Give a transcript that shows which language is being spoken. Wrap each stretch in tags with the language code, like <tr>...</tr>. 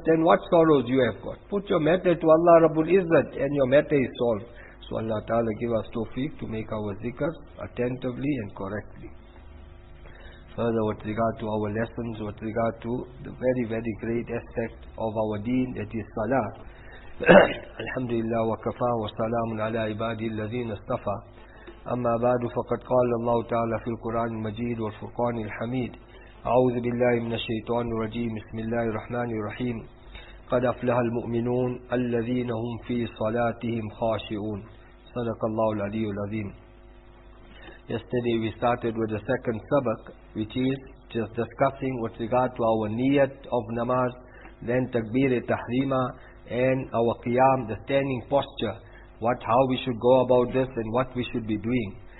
<en>Then what sorrows you have got? Put your matter to Allah Rabbul Izzat and your matter is solved. So Allah Ta'ala give us tawfiq to make our zikr attentively and correctly. Further, with regard to our lessons, with regard to the very, very great aspect of our deen, that is salah.</en> <ar>الحمد لله وكفى وسلام على عباده الذين اصطفى أما بعد فقد قال الله تعالى في القرآن المجيد والفرقان الحميد أعوذ بالله من الشيطان الرجيم بسم الله الرحمن الرحيم قد أفلح المؤمنون الذين هم في صلاتهم خاشعون صدق الله العلي العظيم.</ar> <en>Yesterday we started with the second sabak, which is just discussing with regard to our niyat of namaz, then takbir tahrima, and our qiyam, the standing posture, how we should go about this and what we should be doing.</en>